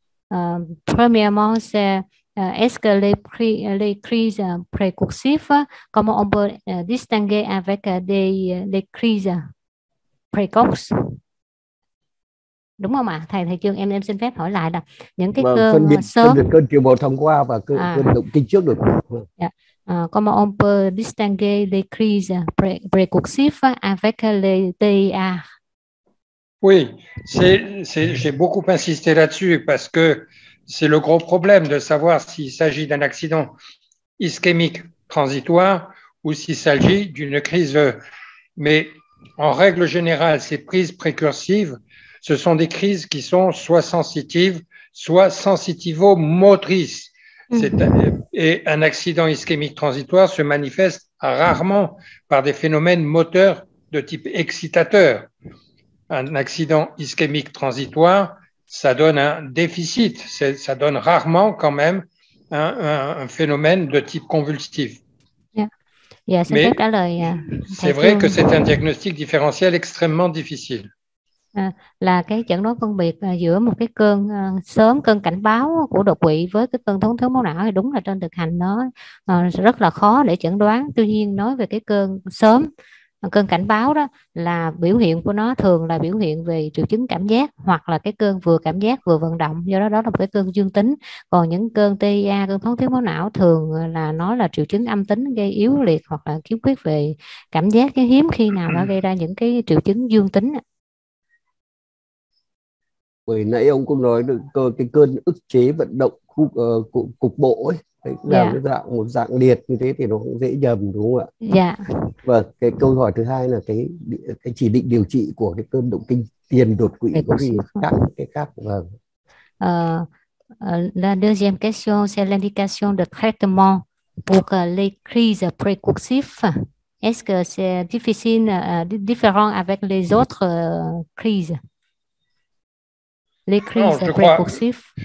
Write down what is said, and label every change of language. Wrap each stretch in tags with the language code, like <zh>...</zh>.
<fr>Premièrement, c'est est-ce que les crises précursives, comment on peut distinguer avec les crises précoce.</fr> <vi>Đúng không ạ? Thầy Chương, em xin phép hỏi lại là những cái cơn sớm, cơn tiểu bào thông qua và cơn động kinh trước được.</vi> <fr>Comment on peut distinguer les crises précoces avec les TIA? Oui, c'est j'ai beaucoup insisté là-dessus parce que c'est le gros problème de savoir s'il s'agit d'un accident ischémique transitoire ou s'il s'agit d'une crise. Mais en règle générale, ces crises précursives, ce sont des crises qui sont soit sensitives, soit sensitivo-motrices. Et un accident ischémique transitoire se manifeste rarement par des phénomènes moteurs de type excitateur. Un accident ischémique transitoire, ça donne un déficit, ça donne rarement quand même un phénomène de type convulsif. C'est vrai que c'est un diagnostic différentiel extrêmement difficile.</fr> <vi>Là cái chẩn đoán phân biệt giữa một cái cơn sớm, cơn cảnh báo của đột quỵ với cái cơn thiếu máu não thì đúng là trên thực hành nó rất là khó để chẩn đoán. Tuy nhiên nói về cái cơn sớm, cơn cảnh báo đó là biểu hiện của nó thường là biểu hiện về triệu chứng cảm giác hoặc là cái cơn vừa cảm giác vừa vận động, do đó là một cái cơn dương tính. Còn những cơn TIA, cơn thoáng thiếu máu não thường là nó là triệu chứng âm tính gây yếu liệt hoặc là khiếm khuyết về cảm giác, cái hiếm khi nào nó gây ra những cái triệu chứng dương tính. Vừa nãy ông cũng nói được cái cơn ức chế vận động cục bộ ấy. Một dạng liệt như thế thì nó cũng dễ nhầm đúng không ạ? Dạ. Vâng, cái câu hỏi thứ hai là cái chỉ định điều trị của cái cơn động kinh tiền đột quỵ có gì khác cái khác? Vâng.</vi> <fr>La deuxième question c'est l'indication de traitement pour les crises précursives. Est-ce que c'est différent avec les autres crises? Les crises précursives.</fr>